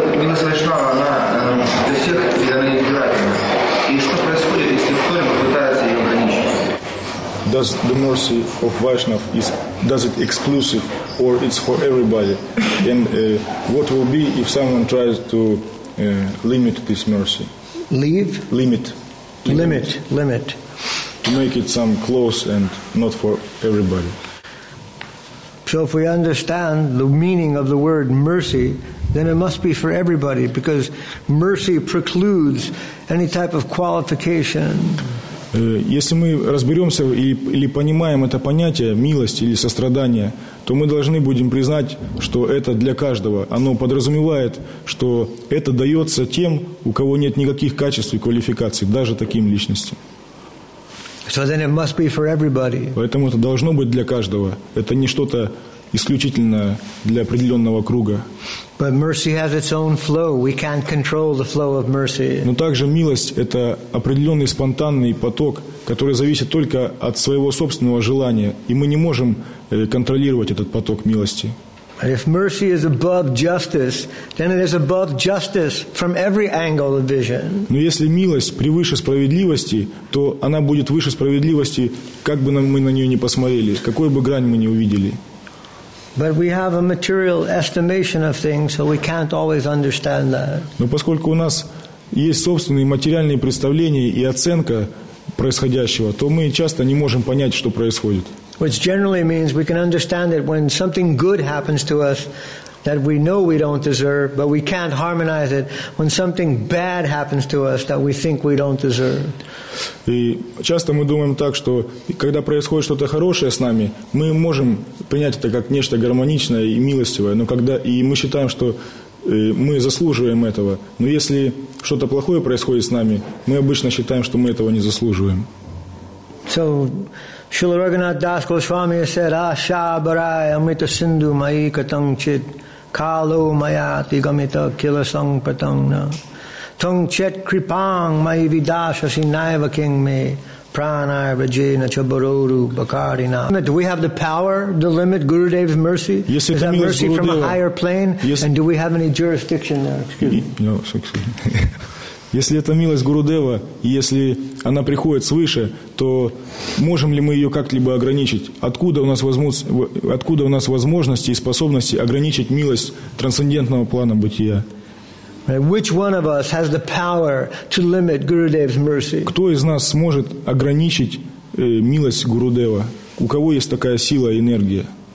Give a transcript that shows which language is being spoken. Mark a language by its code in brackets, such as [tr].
[ru] Мы слышали, она для всех идеальная избирательность. И что происходит, если кто-либо пытается ее ограничить? [en] Does the mercy of Vaishnav is does it exclusive or it's for everybody? And what will be if someone tries to limit this mercy? Leave? Limit. Limit. To make it some close and not for everybody. So if we understand the meaning of the word mercy, then it must be for everybody, because mercy precludes any type of qualification. [ru] Если мы разберемся или понимаем это понятие, милость или сострадание, то мы должны будем признать, что это для каждого. Оно подразумевает, что это дается тем, у кого нет никаких качеств и квалификаций, даже таким личностям. [en] So then it must be for everybody. [ru] Поэтому это должно быть для каждого. Это не что-то исключительно для определенного круга. [en] But mercy has its own flow. We can't control the flow of mercy. [ru] Но также милость – это определенный спонтанный поток, который зависит только от своего собственного желания, и мы не можем контролировать этот поток милости. [en] And if mercy is above justice, then it is above justice from every angle of vision. [ru] Но если милость превыше справедливости, то она будет выше справедливости, как бы мы на нее не посмотрели, какой бы грань мы не увидели. [en] But we have a material estimation of things, so we can't always understand that. [ru] Но поскольку у нас есть собственные материальные представления и оценка происходящего, то мы часто не можем понять, что происходит. [en] Which generally means we can understand it when something good happens to us that we know we don't deserve, but we can't harmonize it when something bad happens to us that we think we don't deserve. [ru] И часто мы думаем так, что когда происходит что-то хорошее с нами, мы можем принять это как нечто гармоничное и милостивое, но когда и мы считаем, что мы заслуживаем этого, но если что-то плохое происходит с нами, мы обычно считаем, что мы этого не заслуживаем. [en] So Śrīla Raghunāth Dāsa Goswāmī said, [sa] āśā barāya amrita sindhu mayi katam chit kālo mayāti gamita kila saṅg patāṅna taṅg chit kripāṅ mayi vidāśa sināyava king me prānāya vajena chabaroru bakārinā. [en] Do we have the power to limit Gurudev's mercy? Yes, is that mercy Gurudeva from a higher plane? Yes. And do we have any jurisdiction there? Excuse me. [ru] Если это милость Гурудева, и если она приходит свыше, то можем ли мы ее как-либо ограничить? Откуда у нас возможности и способности ограничить милость трансцендентного плана бытия? [en] Which one of us has the power to limit Gurudev's mercy? [ru] Кто из нас сможет ограничить милость Гурудева? У кого есть такая сила и энергия?